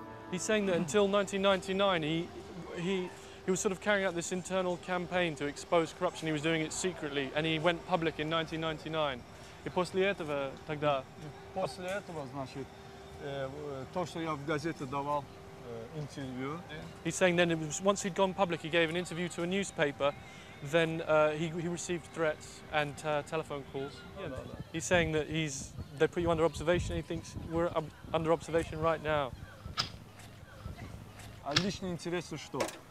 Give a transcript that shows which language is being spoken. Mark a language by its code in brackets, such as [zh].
[en] He's saying that until 1999, he was sort of carrying out this internal campaign to expose corruption. He was doing it secretly, and he went public in 1999. [ru] И после этого тогда... После этого, значит, то, что я в газете давал интервью... [en] He's saying then it was, once he'd gone public, he gave an interview to a newspaper, then he received threats and telephone calls. He's saying that they put you under observation, and he thinks we're under observation right now. [ru] А личные интересы что?